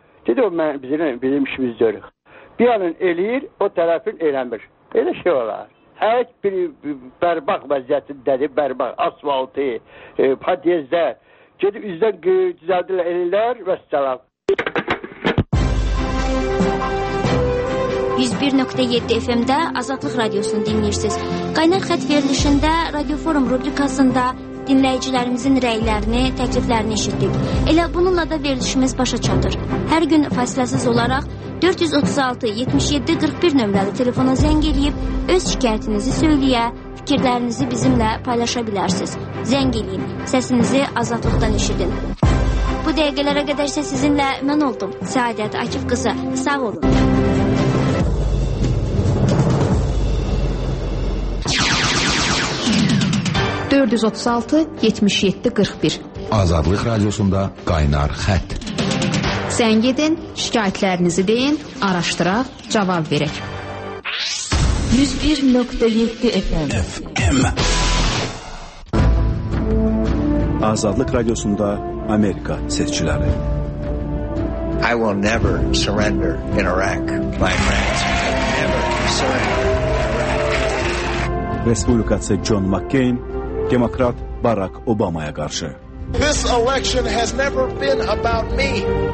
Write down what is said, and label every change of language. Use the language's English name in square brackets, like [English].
[Azerbaijani] Dedim, o mən, bizim işimiz görürük. Bir yandan eləyir, o tərəfin eləmir. Elə şey olar. Hər bir bərbaq vəziyyətindədir, bərbaq, asfaltı, podyezlər. Gedib üzdən düzəldirlər, elirlər və səlam. 101.7 FM-də Azadlıq Radiosunu dinləyirsiniz. Qaynar xətt verilişində Radio Forum rubrikasında dinləyicilərimizin rəylərini, təkliflərini eşitdik. Elə bununla da verilişimiz başa çatır. Hər gün fasiləsiz olaraq 436-77-41 nömrəli telefona zəng eləyib, öz şikayətinizi söyləyə, fikirlərinizi bizimlə paylaşa bilərsiniz. Zəng eləyin, səsinizi azadlıqdan eşidin. Bu dəqiqələrə qədər isə sizinlə mən oldum. Səadət Akif qızı, sağ olun. Azadlıq radiosunda qaynar xətt. Zəng edin, şikayətlərinizi deyin, araşdıraq, cavab verək. 101.7 FM. Azadlıq radiosunda Amerika seçiciləri. [English] I will never surrender in Iraq, my friends. Never surrender. [Azerbaijani] Respublikaçı John McCain, demokrat Barack Obama'ya qarşı. [English] This election has never been about me.